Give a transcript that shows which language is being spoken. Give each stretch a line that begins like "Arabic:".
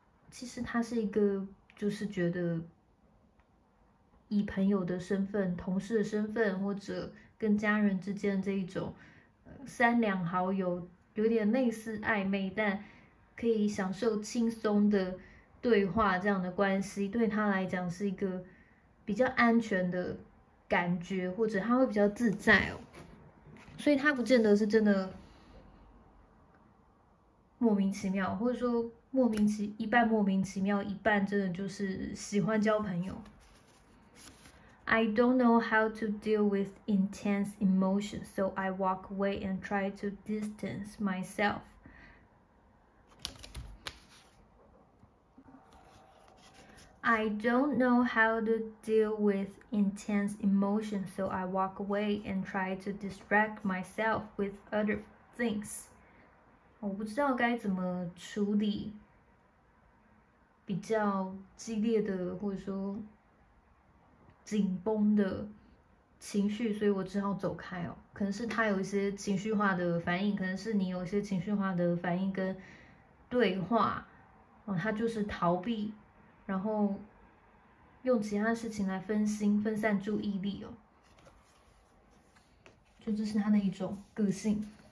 Chinese: 其实他是一个，就是觉得以朋友的身份、同事的身份，或者跟家人之间这一种三两好友，有点类似暧昧，但可以享受轻松的对话，这样的关系对他来讲是一个比较安全的感觉，或者他会比较自在哦。所以他不见得是真的莫名其妙，或者说一半莫名其妙，一半真的就是喜欢交朋友。
English: I don't know how to deal with intense emotions, so I walk away and try to distance myself. I don't know how to deal with intense emotions, so I walk away and try to distract myself with other things.
Chinese: 我不知道该怎么处理比较激烈的或者说紧绷的情绪，所以我只好走开哦。可能是他有一些情绪化的反应，可能是你有一些情绪化的反应跟对话，他就是逃避，然后用其他事情来分心、分散注意力哦，就这是他的一种个性。